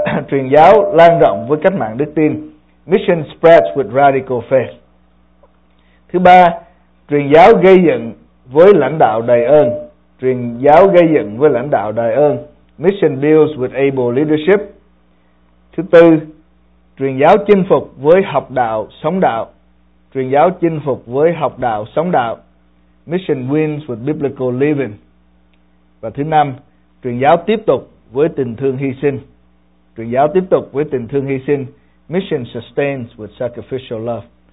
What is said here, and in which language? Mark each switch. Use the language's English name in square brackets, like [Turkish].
[Vietnamese] Truyền giáo lan rộng với cách mạng đức tin. [English] Mission spreads with radical faith. [Vietnamese] Thứ ba, truyền giáo gây dựng với lãnh đạo đầy ơn. Truyền giáo gây dựng với lãnh đạo đầy ơn. [English] Mission builds with able leadership. [Vietnamese] Thứ tư, truyền giáo chinh phục với học đạo, sống đạo. truyền giáo chinh phục với học đạo sống đạo, [English] mission wins with biblical living, [Vietnamese] và thứ năm, truyền giáo tiếp tục với tình thương hy sinh, truyền giáo tiếp tục với tình thương hy sinh, [English] mission sustains with sacrificial love.